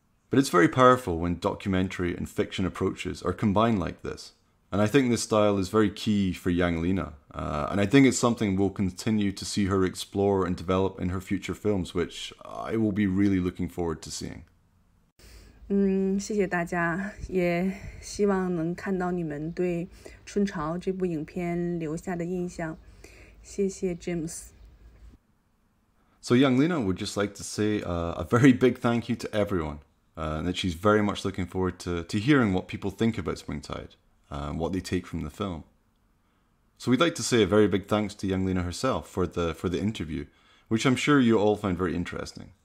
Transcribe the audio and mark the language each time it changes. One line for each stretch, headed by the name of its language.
English: But it's very powerful when documentary and fiction approaches are combined like this. And I think this style is very key for Yang Lina. And I think it's something we'll continue to see her explore and develop in her future films, which I will be really looking forward to seeing.
Chinese: 谢谢大家，也希望能看到你们对《春潮》这部影片留下的印象。谢谢 James。
English: So Yang Lina would just like to say a very big thank you to everyone, and that she's very much looking forward to hearing what people think about Spring Tide, and what they take from the film. So we'd like to say a very big thanks to Yang Lina herself for the interview, which I'm sure you all find very interesting.